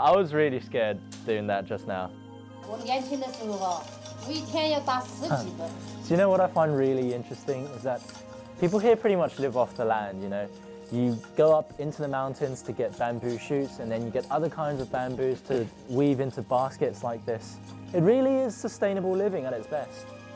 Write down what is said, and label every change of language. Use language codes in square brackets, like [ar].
[en] I was really scared doing that just now. [zh] 我年轻的时候，我一天要打十几个。 [en] You know what I find really interesting is that. People here pretty much live off the land, you know. You go up into the mountains to get bamboo shoots, and then you get other kinds of bamboos to weave into baskets like this. It really is sustainable living at its best.